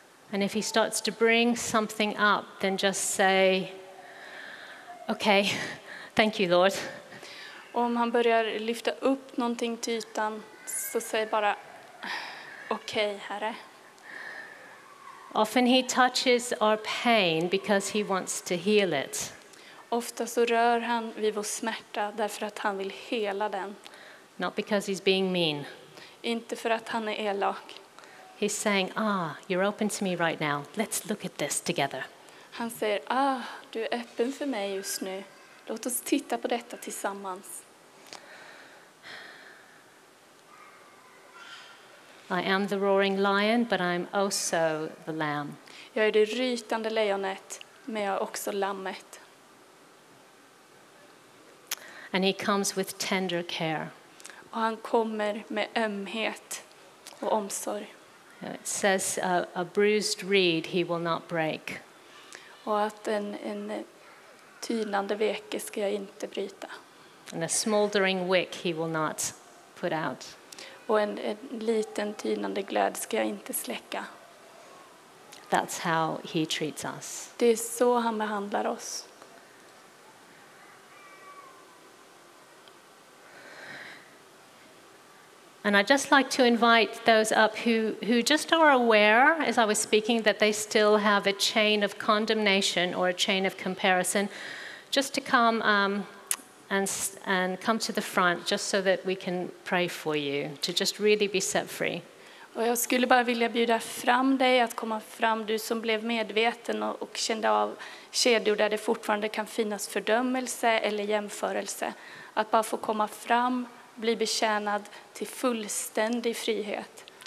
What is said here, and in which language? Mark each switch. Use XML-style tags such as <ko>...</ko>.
<en>And if he starts to bring something up, then just say, okay, thank you, Lord.</en> <sv>Om han börjar lyfta upp någonting till ytan, så säg bara, okay, Herre.</sv> <en>Often he touches our pain because he wants to heal it.</en> <sv>Ofta så rör han vid vår smärta därför att han vill hela den.</sv> <en>Not because he's being mean.</en> <sv>Inte för att han är elak.</sv> <en>He's saying, "Ah, you're open to me right now. Let's look at this together."</en> <sv>Han säger, "Ah, du är öppen för mig just nu. Låt oss titta på detta tillsammans."</sv> <en>I am the roaring lion, but I'm also the lamb.</en> <sv>Jag är det rytande lejonet, men jag är också lammet.</sv> <en>And he comes with tender care.</en> <sv>Och han kommer med ömhet och omsorg.</sv> <en>It says a bruised reed he will not break.</en> <sv>Och att en tynande veke ska jag inte bryta.</sv> <en>And a smoldering wick he will not put out.</en> <sv>Och en liten tynande glöd ska jag inte släcka.</sv> <en>That's how he treats us.</en> <sv>Det är så han behandlar oss.</sv> <en>And I'd just like to invite those up who just are aware, as I was speaking, that they still have a chain of condemnation or a chain of comparison, just to come and come to the front, just so that we can pray for you, to just really be set free.</en> <sv>Och jag skulle bara vilja bjuda fram dig att komma fram, du som blev medveten och kände av kedjor där det fortfarande kan finnas fördömelse eller jämförelse. Att bara få komma fram, bli betjänad till fullständig frihet.</sv>